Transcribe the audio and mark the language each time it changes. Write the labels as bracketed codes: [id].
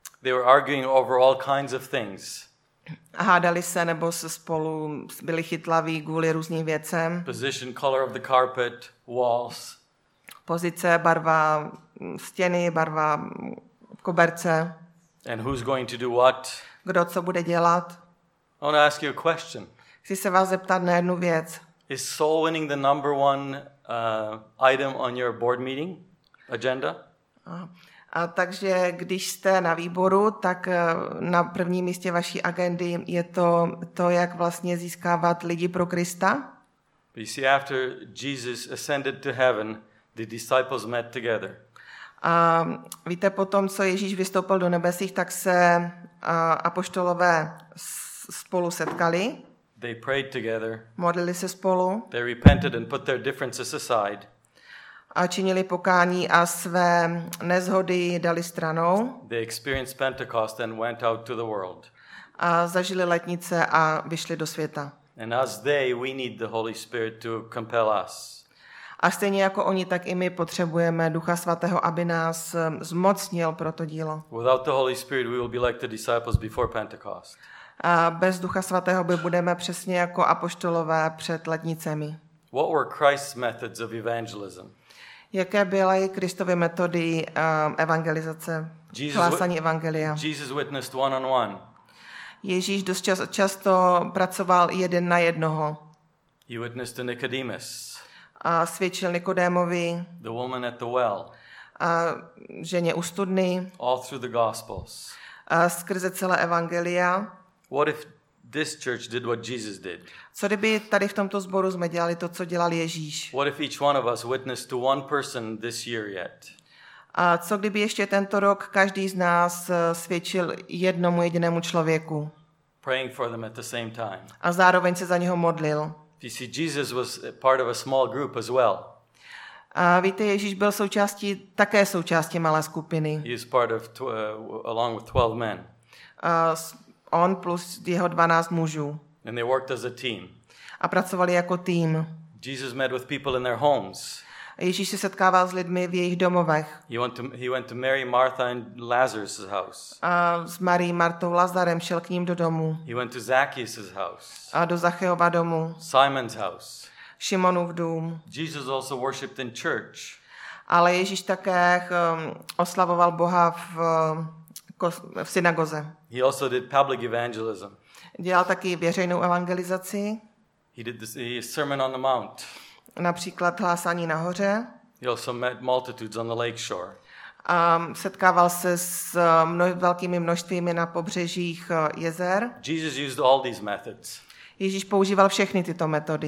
[en] They were arguing over all kinds of things. [cs] Hádali se nebo se spolu byli chytlaví kvůli různým věcem. [en] Position, color of the carpet, walls. [cs] Pozice, barva stěny, barva koberce. [en] And who's going to do what? [cs] Kdo co bude dělat? [en] I want to ask you a question. [cs] Chci se vás zeptat na jednu věc. [en] Is soul winning the number one item on your board meeting agenda? [cs] A takže když jste na výboru, tak na prvním místě vaší agendy je to jak vlastně získávat lidi pro Krista. [en] But you see, after Jesus ascended to heaven, the disciples met together. [cs] A víte, potom, co Ježíš vystoupil do nebesích, tak se apoštolové spolu setkali. [en] They prayed together. [cs] Modlili se spolu. [en] They repented and put their differences aside. [cs] A činili pokání a své nezhody dali stranou. [en] They experienced Pentecost and went out to the world. [cs] A zažili letnice a vyšli do světa. [en] And as they, we need the Holy Spirit to compel us. [cs] A stejně jako oni, tak i my potřebujeme Ducha svatého, aby nás zmocnil pro to dílo. [en] Without the Holy Spirit, we will be like the disciples before Pentecost. [cs] A bez Ducha svatého by budeme přesně jako apoštolové před letnicemi. [en] What were Christ's methods of evangelism? [cs] Jaké byly Kristovy metody evangelizace, hlásání evangelia? [en] Jesus witnessed one on one. [cs] Ježíš dost často pracoval jeden na jednoho. [en] He witnessed to Nicodemus. [cs] A svědčil Nikodémovi. [en] The woman at the well. [cs] A ženě u studny. [en] All through the gospels. [cs] A skrze celé evangelia. [en] What if this church did what Jesus did? [cs] Co kdyby tady v tomto sboru jsme dělali to, co dělal Ježíš? [en] What if each one of us witnessed to one person this year yet? [cs] A co kdyby ještě tento rok každý z nás svědčil jednomu jedinému člověku? [en] Praying for them at the same time. [cs] A zároveň se za něho modlil. [en] You see, Jesus was part of a small group as well. [cs] A víte, Ježíš byl také součástí malé skupiny. [en] He is part of along with 12 men. [cs] On plus jeho 12 mužů. [en] And they worked as a team. [cs] A pracovali jako tým. [en] Jesus met with people in their homes. [cs] Ježíš se setkával s lidmi v jejich domovech. [en] He went to Mary, Martha and Lazarus' house. [cs] A s Marií, Martou, Lazarem šel k ním do domu. [en] He went to Zacchaeus' house. [cs] A do Zachejova domu. [en] Simon's house. [cs] Šimonův dům. [en] Jesus also worshipped in church. [cs] Ale Ježíš také oslavoval Boha v synagoze. [en] He also did public evangelism. [cs] Dělal taky veřejnou evangelizaci. [en] He did his sermon on the mount. [cs] Například hlásání nahoře. [en] He also met multitudes on the lake shore. [cs] Setkával se s velkými množstvími na pobřežích jezer. [en] Jesus used all these methods. [cs] Ježíš používal všechny tyto metody.